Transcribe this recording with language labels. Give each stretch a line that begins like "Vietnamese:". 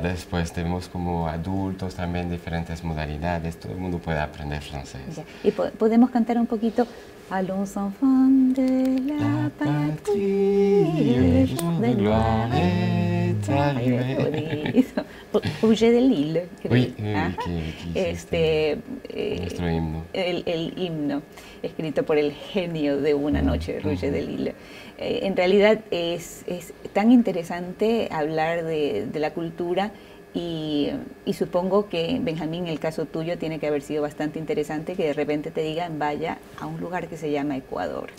Spanish: Después tenemos como adultos también, diferentes modalidades, todo el mundo puede aprender francés. Ya. Y podemos cantar un poquito.
French: Allons enfants de la patrie, de gloire est arrivé.
Spanish: Bouger de Lille, creo. Nuestro himno. El himno, escrito por el genio de una noche, Bouger de Lille. En realidad es tan interesante hablar de la cultura, y supongo que, Benjamín, el caso tuyo tiene que haber sido bastante interesante, que de repente te digan vaya a un lugar que se llama Ecuador.